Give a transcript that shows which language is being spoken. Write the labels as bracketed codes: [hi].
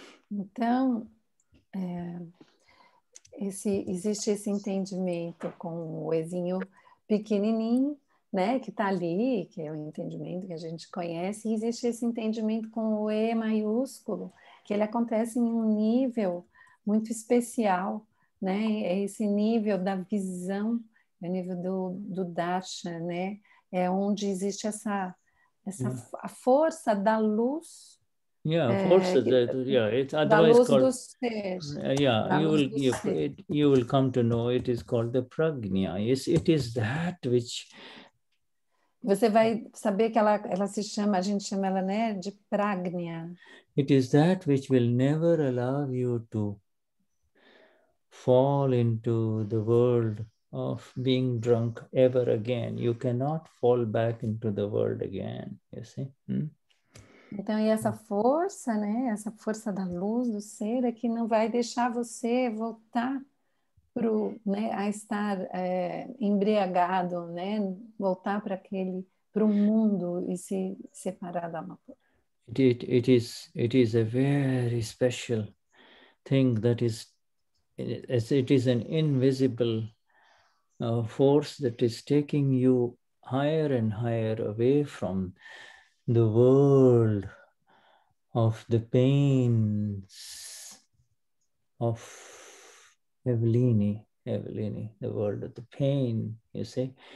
[pt] Então, existe esse entendimento com o Ezinho pequenininho, né, que está ali, que é o entendimento que a gente conhece, e existe esse entendimento com o E maiúsculo, que ele acontece em um nível muito especial, né? É esse nível da visão, é o nível do Dasha, né? É onde existe essa a força da luz. [en] Yeah, forces. It's otherwise called. You will come to know it is called the prajna. It is that which. [pt] Você vai saber que ela se chama, a gente chama ela, né, de prajna. [en] It is that which will never allow you to fall into the world of being drunk ever again. You cannot fall back into the world again. You see? [pt] Então, e essa força, né? Essa força da luz do ser é que não vai deixar você voltar a estar embriagado, né? Voltar para aquele, para o mundo e se separar da alma. [en] It is a very special thing that is, it is an invisible force that is taking you higher and higher away from the world of the pains of Eveline, the world of the pain, you see.